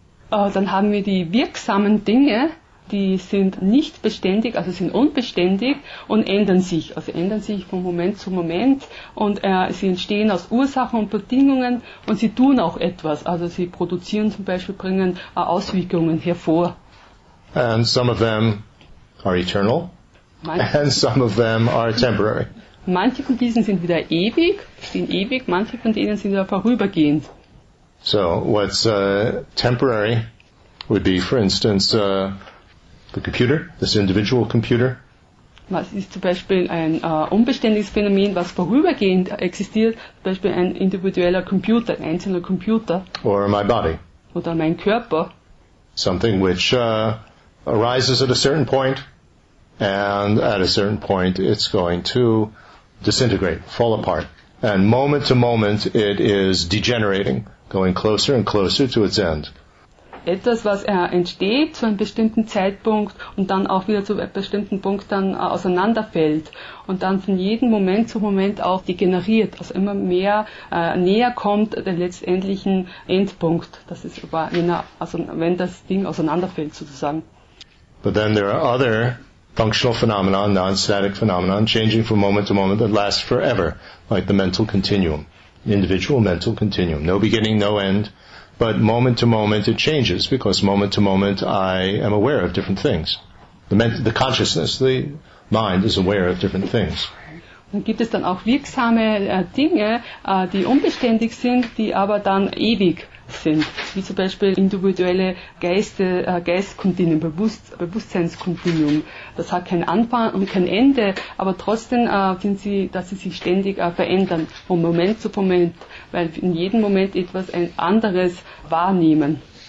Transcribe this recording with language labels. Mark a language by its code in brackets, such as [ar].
[de] Dann haben wir die wirksamen Dinge. Die sind nicht beständig, also sind unbeständig und ändern sich. Also ändern sich von Moment zu Moment und sie entstehen aus Ursachen und Bedingungen und sie tun auch etwas. Also sie produzieren zum Beispiel, bringen Auswirkungen hervor. [en] And some of them are eternal and some of them are temporary. [de] Manche von diesen sind wieder ewig, stehen ewig, manche von denen sind wieder vorübergehend. [en] So, what's temporary would be, for instance, the computer, this individual computer. [de] Was ist zum Beispiel ein unbeständiges Phänomen, was vorübergehend existiert? Zum Beispiel ein individueller Computer, ein einzelner Computer. [en] Or my body. [de] Oder mein Körper. [en] Something which arises at a certain point, and at a certain point it's going to disintegrate, fall apart. And moment to moment it is degenerating, going closer and closer to its end. [de] Etwas, was entsteht zu einem bestimmten Zeitpunkt und dann auch wieder zu einem bestimmten Punkt dann auseinanderfällt und dann von jedem Moment zu Moment auch degeneriert, also immer mehr näher kommt der letztendlichen Endpunkt. Das ist aber, wenn das Ding auseinanderfällt sozusagen. [en] But then there are other functional phenomena, non-static phenomena, changing from moment to moment that last forever, like the mental continuum, individual mental continuum, no beginning, no end. But moment to moment it changes, because moment to moment I am aware of different things. The consciousness, the mind is aware of different things. [de] Dann gibt es dann auch wirksame Dinge, die unbeständig sind, die aber dann ewig sind. Wie zum Beispiel individuelle Geistkontinuum, Bewusstseinskontinuum. Das hat keinen Anfang und kein Ende, aber trotzdem sind sie, dass sie sich ständig verändern, von Moment zu Moment, weil in jedem Moment etwas ein anderes wahrnehmen.